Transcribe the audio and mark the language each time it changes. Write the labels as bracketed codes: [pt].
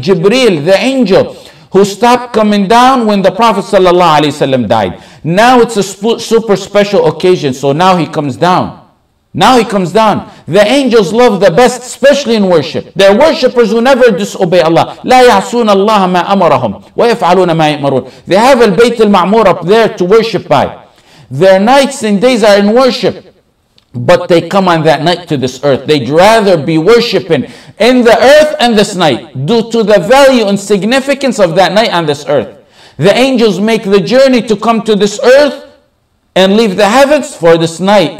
[en] Jibril, the angel, who stopped coming down when the Prophet sallallahu alaihi wasallam died. Now it's a super special occasion, so now he comes down. Now he comes down. The angels love the best, especially in worship. They're worshippers who never disobey Allah. [ar] لا يعصون الله ما أمرهم ويفعلون ما يأمرون. [en] They have al-Bayt al-Ma'mur up there to worship by. Their nights and days are in worship. But they come on that night to this earth. They'd rather be worshipping in the earth and this night due to the value and significance of that night on this earth. The angels make the journey to come to this earth and leave the heavens for this night.